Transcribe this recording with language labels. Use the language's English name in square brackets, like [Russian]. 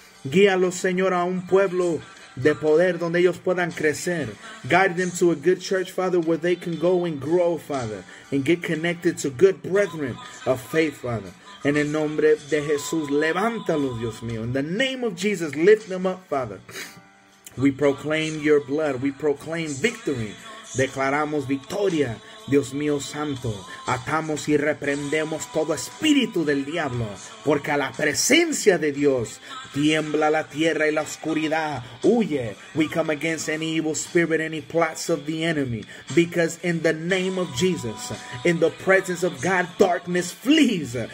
[Spanish] Guíalos, Señor, a un pueblo de poder donde ellos puedan crecer. [English] Guide them to a good church, Father, where they can go and grow, Father. And get connected to good brethren of faith, Father. [Spanish] En el nombre de Jesús, levántalos, Dios mío. [English] In the name of Jesus, lift them up, Father. We proclaim your blood. We proclaim victory. [Spanish] Declaramos victoria, Dios mío santo. Atamos y reprendemos todo espíritu del diablo. Porque a la presencia de Dios tiembla la tierra y la oscuridad huye. [English] We come against any evil spirit, any plots of the enemy. Because in the name of Jesus, in the presence of God, darkness flees.